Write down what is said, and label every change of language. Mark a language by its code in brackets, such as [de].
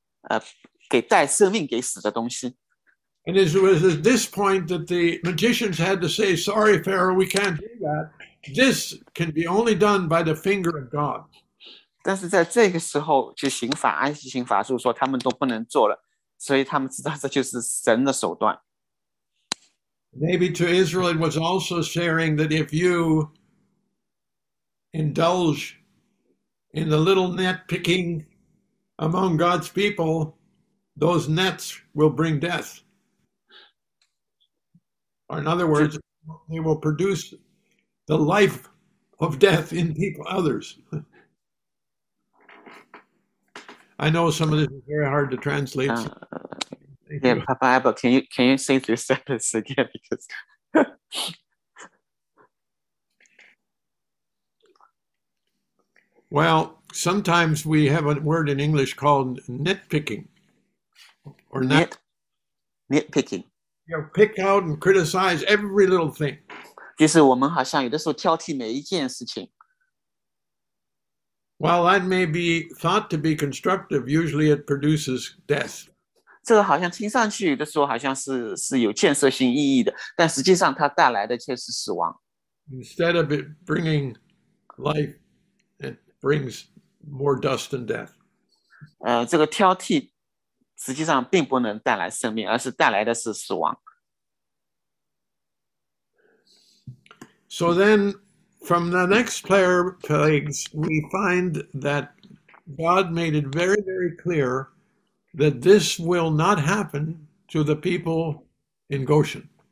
[zh] 也就是说，摩西这一位神是可以把无重，就是把死的变成，给带生命给死的东西。 [en] And it was at this point that the magicians had to say, "Sorry, Pharaoh, we can't do that. This can be only done by the finger of God." [zh] 但是在这个时候，就行法，埃及行法术说他们都不能做了，所以他们知道这就是神的手段。 [en] Maybe to Israel it was also sharing that if you indulge in the little net picking among God's people, those nets will bring death. Or in other words, they will produce the life of death in people, others. I know some of this is very hard to translate. Yeah, Papa Abba, can you say your sentence again? Because well, sometimes we have a word in English called nitpicking, or nitpicking. You know, pick out and criticize every little thing. [zh] 就是我们好像有的时候挑剔每一件事情。 [en] While that may be thought to be constructive, usually it produces death. [zh] 这个好像听上去的时候好像是有建设性意义的，但实际上它带来的却是死亡。 [en] Instead of it bringing life, it brings more dust and death. [zh] 这个挑剔实际上并不能带来生命，而是带来的是死亡。 [en] So then, from the next pair of plagues, we find that God made it very, very clear that this will not happen to the people in Goshen.